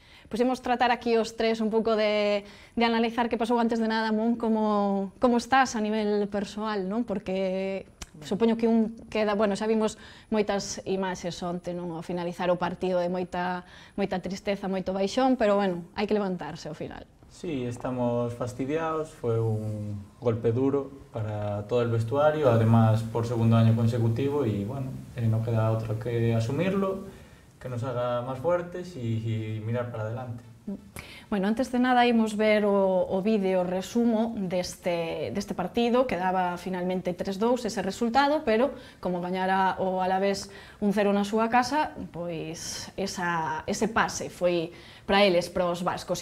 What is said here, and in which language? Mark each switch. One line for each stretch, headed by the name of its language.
Galician: Pois imos tratar aquí os tres un pouco de analizar que pasou antes de nada, Mon, como estás a nivel persoal, non? Porque supoño que un queda, bueno, xa vimos moitas imaxes onte, non? Ao finalizar o partido de moita tristeza, moito baixón, pero bueno, hai que levantarse ao final.
Spanish: Sí, estamos fastidiados, fue un golpe duro para todo el vestuario, además por segundo año consecutivo y bueno, no queda otro que asumirlo, que nos haga más fuertes y mirar para adelante.
Galician: Bueno, antes de nada imos ver o vídeo resumo deste partido, quedaba finalmente 3-2 ese resultado, pero como gañara o Alavés 1-0 na súa casa, pois ese pase foi para eles, para os vascos.